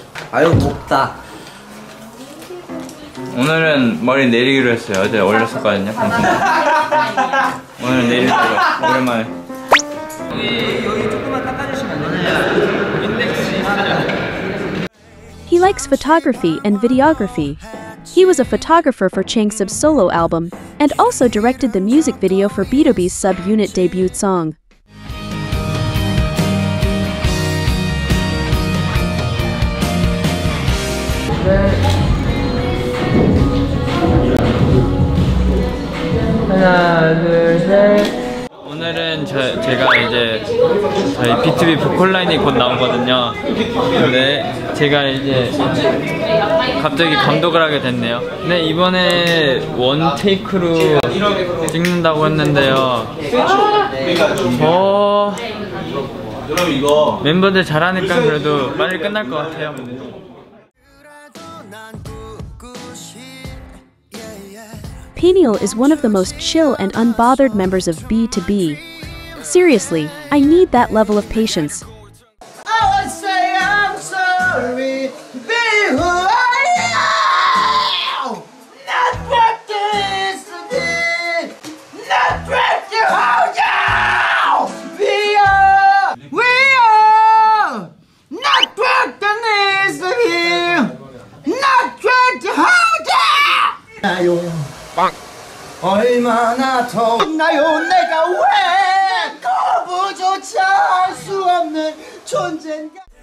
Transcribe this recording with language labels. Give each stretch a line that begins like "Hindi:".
Korean: 아유 덥다. 오늘은 머리 내리기로 했어요. 어제 올렸었거든요. 방송. 오늘 내리기로. 오랜만에. 여기 조금만 닦아주시면 안 돼요? 인덱스.
English: He likes photography and videography. He was a photographer for Changsub's solo album and also directed the music video for B2B's Subunit debut song. One, two, three.
Korean: 오늘은 제가 이제 저희 B2B 보컬 라인이 곧 나오거든요. 근데 제가 이제 갑자기 감독을 하게 됐네요. 네, 이번에 원 테이크로 찍는다고 했는데요. 여러분 이거 멤버들 잘하니까 그래도 빨리 끝날 것 같아요.
English: Peniel is one of the most chill and unbothered members of B2B. Seriously, I need that level of patience. I would say I'm sorry, be who I am! Not practice to be, not practice to hold you! We are not practice to be, not practice to hold you!
Korean: 얼마나 더웠나요 내가 왜 거부조차 할 수 없는 존재인가.